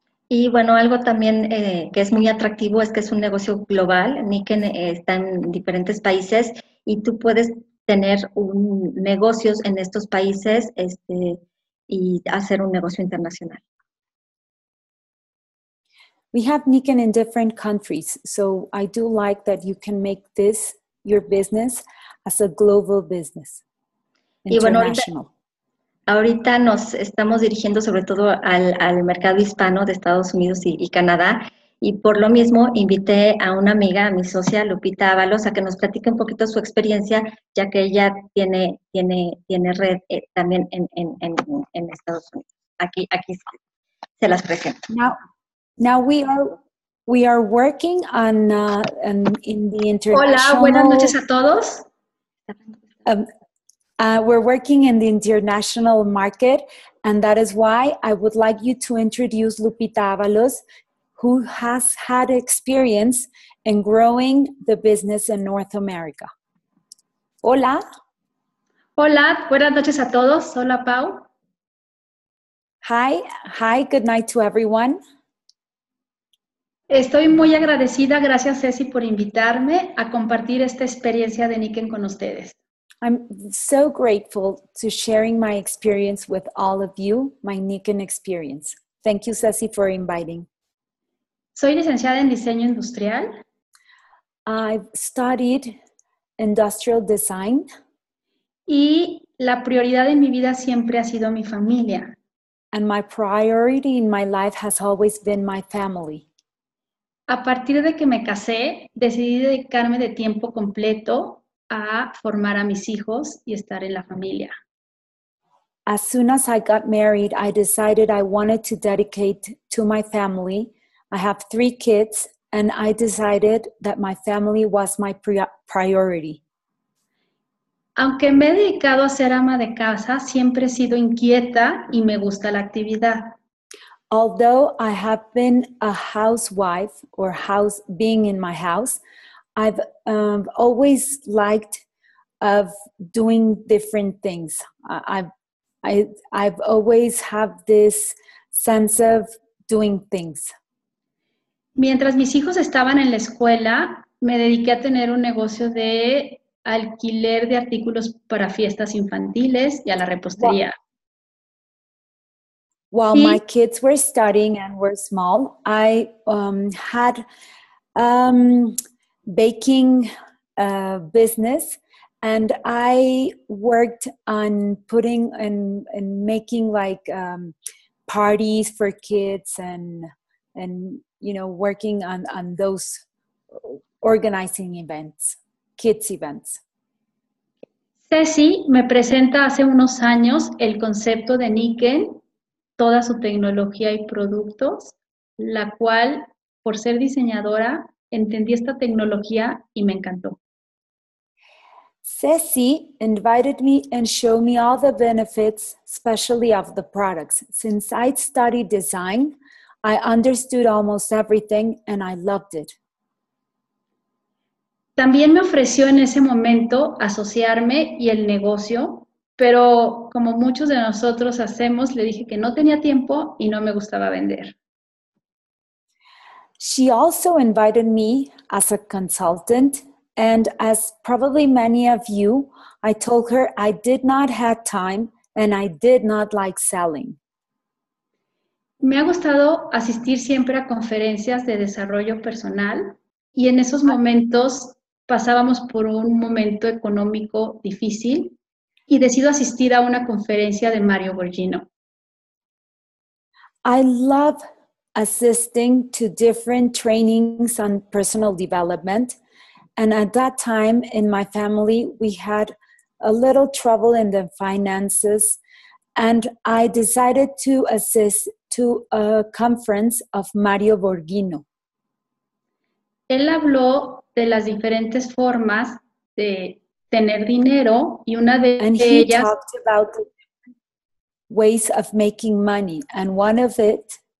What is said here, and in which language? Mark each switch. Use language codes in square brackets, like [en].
[es] Y bueno, algo también que es muy atractivo es que es un negocio global. Niken está en diferentes países y tú puedes tener negocios en estos países y hacer un negocio internacional. [en] We have Niken in different countries, so I do like that you can make this your business as a global business, international. [es] Y bueno, ahorita nos estamos dirigiendo sobre todo al mercado hispano de Estados Unidos y Canadá. Y por lo mismo, invité a una amiga, a mi socia, Lupita Ábalos, a que nos platique un poquito su experiencia, ya que ella tiene red también en Estados Unidos. Aquí se las presento. [en] Now we are working on in the international... [es] Hola, buenas noches a todos. [en] We're working in the international market, and that is why I would like you to introduce Lupita Ábalos, who has had experience in growing the business in North America. [es] Hola. Hola, buenas noches a todos. Hola, Pau. [en] Hi, good night to everyone. [es] Estoy muy agradecida, gracias Ceci por invitarme a compartir esta experiencia de Niken con ustedes. [en] I'm so grateful to sharing my experience with all of you, my Niken experience. Thank you, Ceci, for inviting. [es] Soy licenciada en diseño industrial. [en] I've studied industrial design. [es] Y la prioridad en mi vida siempre ha sido mi familia. [en] And my priority in my life has always been my family. [es] A partir de que me casé, decidí dedicarme de tiempo completo a formar a mis hijos y estar en la familia. [en] As soon as I got married, I decided I wanted to dedicate to my family. I have 3 kids, and I decided that my family was my priority. [es] Aunque me he dedicado a ser ama de casa, siempre he sido inquieta y me gusta la actividad. [en] Although I have been a housewife or house being in my house, I've always liked of doing different things. I've always have this sense of doing things. [es] Mientras mis hijos estaban en la escuela, me dediqué a tener un negocio de alquiler de artículos para fiestas infantiles y a la repostería. [en] While my kids were studying and were small, I had baking business, and I worked on putting and making like parties for kids and you know, working on those organizing events, kids events. [es] Ceci me presenta hace unos años el concepto de Nikken, toda su tecnología y productos, la cual, por ser diseñadora, entendí esta tecnología y me encantó. [en] Ceci invited me and showed me all the benefits, especially of the products. Since I studied design, I understood almost everything and I loved it. [es] También me ofreció en ese momento asociarme y el negocio, pero como muchos de nosotros hacemos, le dije que no tenía tiempo y no me gustaba vender. [en] She also invited me as a consultant, and as probably many of you, I told her I did not have time and I did not like selling. [es] Me ha gustado asistir siempre a conferencias de desarrollo personal, y en esos momentos pasábamos por un momento económico difícil, y decido asistir a una conferencia de Mario Borghino. [en] I love assisting to different trainings on personal development, and at that time in my family we had a little trouble in the finances, and I decided to assist to a conference of Mario Borghino. [es] Él habló de las diferentes formas de tener dinero, y una de ellas, [en] talked about the ways of making money, and one of it